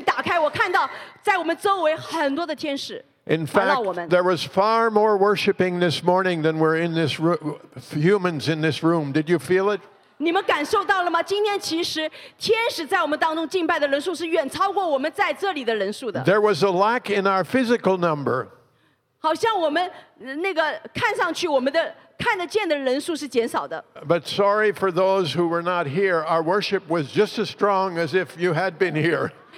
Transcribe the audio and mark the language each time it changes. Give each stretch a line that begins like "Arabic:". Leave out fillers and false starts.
Chinese: 今天早晨当我们敬拜的时候，我灵里面已经打开，我看到在我们周围很多的天使。
English: In fact, there was far more worshiping this morning than were in this humans in this room. Did you feel it?
Chinese: 你们感受到了吗? 今天其实天使在我们当中敬拜的人数是远超过我们在这里的人数的。
English: There was a lack in our physical number.
Chinese: 好像我们那个看上去我们的看得见的人数是减少的。
English: But sorry for those who were not here. Our worship was just as strong as if you had been here.